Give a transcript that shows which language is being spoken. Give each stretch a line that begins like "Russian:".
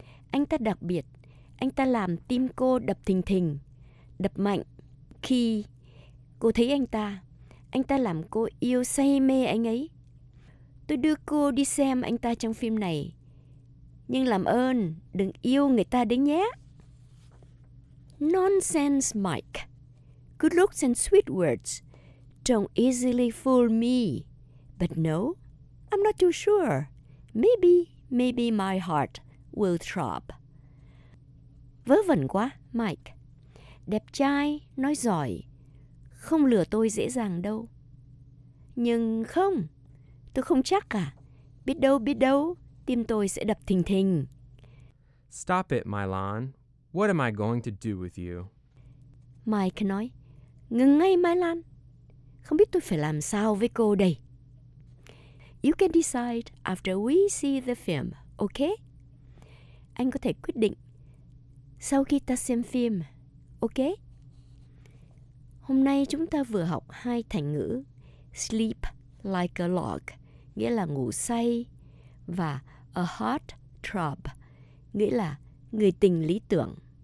Vietnamese: Anh ta đặc biệt. Anh ta làm tim cô đập thình thình, đập mạnh. Khi cô thấy anh ta làm cô yêu say mê anh ấy. Tôi đưa cô đi xem anh ta trong phim này. Nhưng làm ơn, đừng yêu người ta đấy nhé.
English: Nonsense, Mike. Good looks and sweet words don't easily fool me. But no, I'm not too sure. Maybe my heart will throb.
Vietnamese: Vớ vẩn quá, Mike. Đẹp trai, nói giỏi. Không lừa tôi dễ dàng đâu. Nhưng không, tôi không chắc cả. Biết đâu, tim tôi sẽ đập thình thình.
English: Stop it, Mylan. What am I going to do with you?
Vietnamese: Mike nói, ngừng ngay, Mylan. Không biết tôi phải làm sao với cô đây.
English: You can decide after we see the film, okay?
Vietnamese: Anh có thể quyết định sau khi ta xem phim, okay? Hôm nay chúng ta vừa học hai thành ngữ
English: sleep like a log,
Vietnamese: nghĩa là ngủ say, và
English: a heartthrob,
Vietnamese: nghĩa là người tình lý tưởng.